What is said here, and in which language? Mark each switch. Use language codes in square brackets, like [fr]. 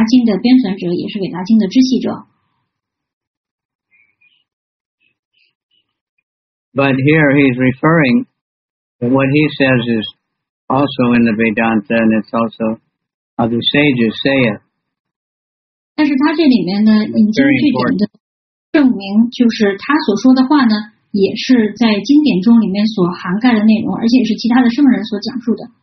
[zh] 那虽然说Krishna他非常的清晰的指出，一切都来源于他，他是一切的源泉，而且在后来他在这个世界里面也提到了他是伟达经的编纂者，也是伟达经的知悉者。 [en] But here he's referring to what he says is also in the Vedanta, and it's also of the sages say it. [zh] 但是他这里面呢，引经据典的证明，就是他所说的话呢，也是在经典中里面所涵盖的内容，而且是其他的圣人所讲述的。